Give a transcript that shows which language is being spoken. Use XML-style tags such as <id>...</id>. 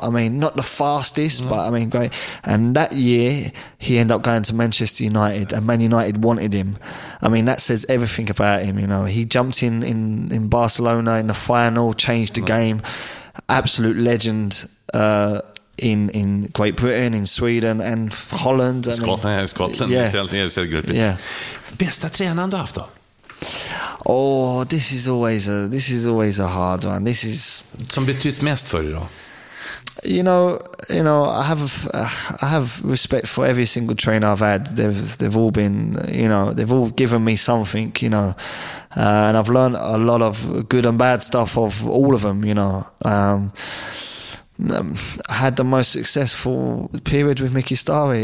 <en>I mean, not the fastest, but I mean, great. And that year, he ended up going to Manchester United, and Man United wanted him. I mean, that says everything about him, you know. He jumped in Barcelona in the final, changed the game. Absolute legend in Great Britain, in Sweden, and Holland. Scotland, yeah.</en> <sv>Bästa tränaren du haft då?</sv> <en>Oh, this is always a hard one. This is</en> <sv>som betytt mest för dig då.</sv> <en>You know, I have respect for every single trainer I've had. They've all been, you know, they've all given me something, you know, and I've learned a lot of good and bad stuff of all of them, you know. I had the most successful period with Mickey Starry.</en>